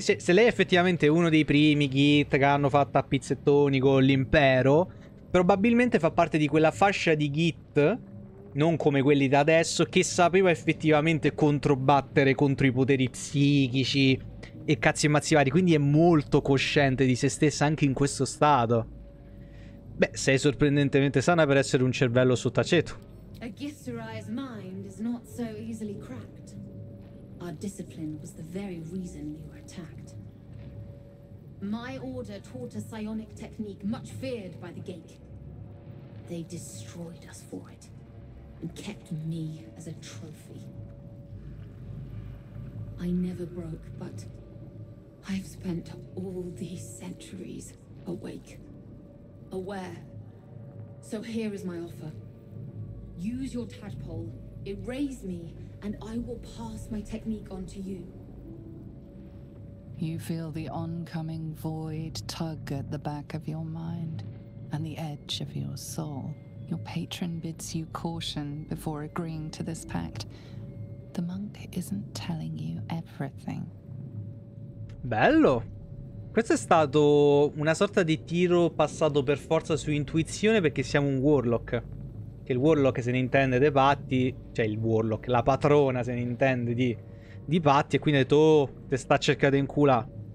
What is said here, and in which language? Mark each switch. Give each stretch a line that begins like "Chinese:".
Italian: Se lei è effettivamente uno dei primi Git che hanno fatto a pizzettoni con l'impero, probabilmente fa parte di quella fascia di Git, non come quelli da adesso, che sapeva effettivamente controbattere contro i poteri psichici e cazzi e mazzi vari. Quindi è molto cosciente di se stessa anche in questo stato. Beh, sei sorprendentemente sana per essere un cervello sott'aceto.
English: A Githzerai's mind is not so easily cracked. Our discipline was the very reason you were attacked. My order taught a psionic technique much feared by the Geek. They destroyed us for it and kept me as a trophy. I never broke, but I've spent all these centuries awake, aware. So here is my offer. Use your tadpole, erase me, and I will pass my technique on to you. You feel the oncoming void tug at the back of your mind and the edge of your soul. Your patron bids you caution before agreeing to this pact. The monk isn't telling you everything.
Italian: Bello. Questo è stato una sorta di tiro passato per forza su intuizione, perché siamo un warlock. Che il warlock se ne intende dei patti, cioè il warlock, la patrona se ne intende di patti, e quindi ha detto, oh, te sta cercando in culà.